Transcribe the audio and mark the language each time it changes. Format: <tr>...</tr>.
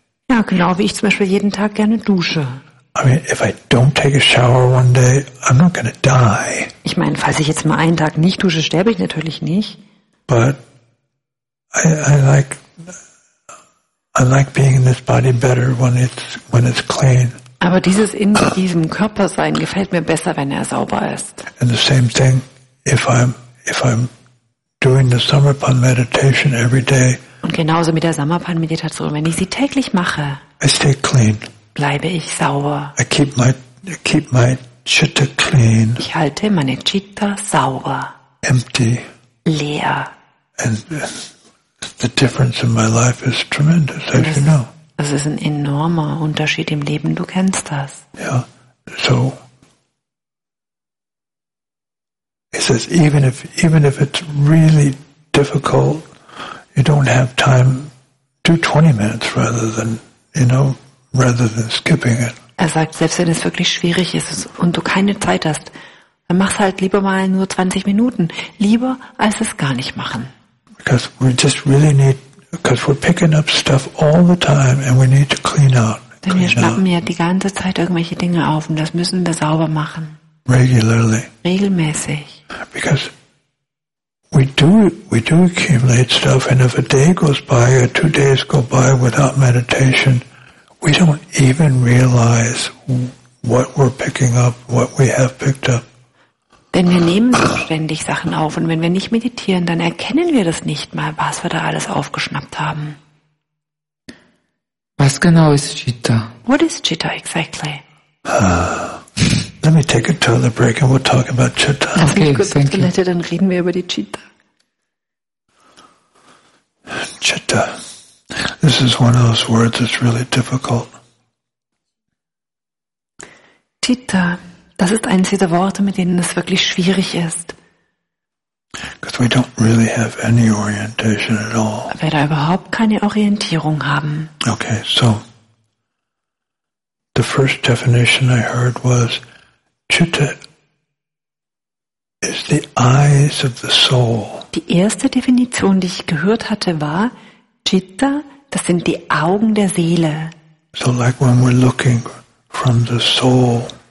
<de>Ja, genau, wie ich zum Beispiel jeden Tag gerne dusche.</de> <en>I mean, if I don't take a shower one day, I'm not gonna die.</en> <de>Ich meine, falls ich jetzt mal einen Tag nicht dusche, sterbe ich natürlich nicht.</de> <en>But I like being in this body better when it's clean.</en> <de>Aber dieses in diesem Körper sein gefällt mir besser, wenn er sauber ist.</de> <en>And the same thing, if I'm doing the Samapan meditation every day.</en> <de>Und genauso mit der Samapan Meditation, wenn ich sie täglich mache.</de> <en>I stay clean.</en> <de>Bleibe ich sauber.</de> <en>I keep my chitta clean.</en> <de>Ich halte meine Chitta sauber.</de> <en>Empty.</en> <de>Leer.</de> <en>And the difference in my life is tremendous, as you know.</en> <de>Das ist ein enormer Unterschied im Leben, du kennst das.</de> <en>Yeah. So he says, even if it's really difficult, you don't have time, do 20 minutes rather than skipping it.</en> <de>Er sagt, selbst wenn es wirklich schwierig ist und du keine Zeit hast, Dann mach's halt lieber mal nur 20 Minuten. Lieber als es gar nicht machen.</de> <en>Because we just really need, because we're picking up stuff all the time and we need to clean out.</en> <de>Denn wir schnappen ja die ganze Zeit irgendwelche Dinge auf und das müssen wir sauber machen.</de> <en>Regularly.</en> <de>Regelmäßig.</de> <en>Because we do accumulate stuff, and if a day goes by or 2 days go by without meditation, we don't even realize what we're picking up, what we have picked up.</en> <de>Denn wir nehmen so ständig Sachen auf und wenn wir nicht meditieren, dann erkennen wir das nicht mal, was wir da alles aufgeschnappt haben. Was genau ist Citta?</de> <en>What is Citta exactly? Let me take a toilet break and we'll talk about Citta. Okay, thank you.</en> <de>Dann reden wir über die Citta.</de> <en>Citta. This is one of those words that's really difficult. Citta.</en> <de>Das ist eines dieser Worte, mit denen es wirklich schwierig ist.</de> <en>Because we don't really have any orientation at all.</en> <de>Weil wir da überhaupt keine Orientierung haben.</de> <en>Okay, so the first definition I heard was Chitta is the eyes of the soul.</en> <de>Die erste Definition, die ich gehört hatte, war Chitta, das sind die Augen der Seele.</de> <en>So like when we're looking from the soul.</en>